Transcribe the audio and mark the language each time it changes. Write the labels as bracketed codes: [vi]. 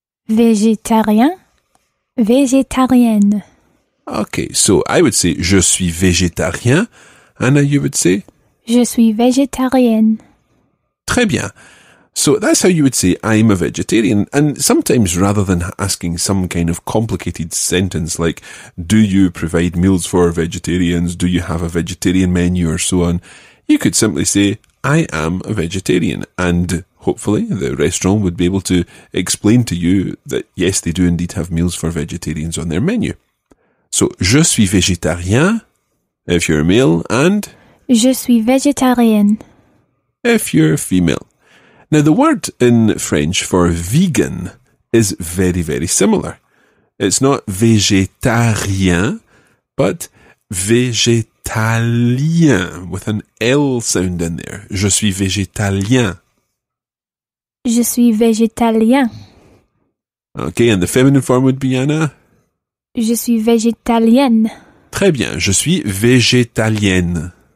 [fr] Végétarien, végétarienne. [en] Okay, so I would say [fr] je suis végétarien. [en] Anna, you would say? [fr] Je suis végétarienne. Très bien. [en] So that's how you would say I'm a vegetarian. And sometimes rather than asking some kind of complicated sentence like do you provide meals for vegetarians? Do you have a vegetarian menu or so on? You could simply say I am a vegetarian, and hopefully the restaurant would be able to explain to you that yes, they do indeed have meals for vegetarians on their menu. So, [fr] je suis végétarien, [en] if you're a male, and [fr] je suis végétarienne, [en] if you're a female. Now, the word in French for vegan is very, very similar. It's not végétarien, but végétalien, with an L sound in there. [fr] Je suis végétalien. Je suis végétalien. [en] Okay, and the feminine form would be Anna? [fr] Je suis végétalienne. Très bien, je suis végétalienne.